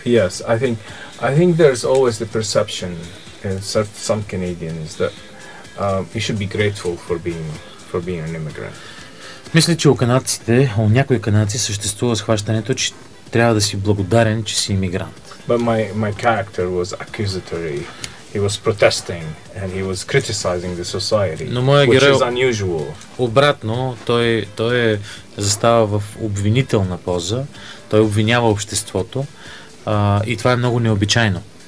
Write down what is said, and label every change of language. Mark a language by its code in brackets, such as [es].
[en] Yes, I think there's always the perception in some Canadians that you should be grateful for being an immigrant. [bg] Мисля, че у някои канадци съществува схващането, че трябва да си благодарен, че си имигрант. [en] But my character was accusatory. He was protesting and he was criticizing the society. [bg] Но моя герой, [en] which is unusual. [bg] Обратно, той застава в обвинителна поза, той обвинява обществото, и това е много необичайно.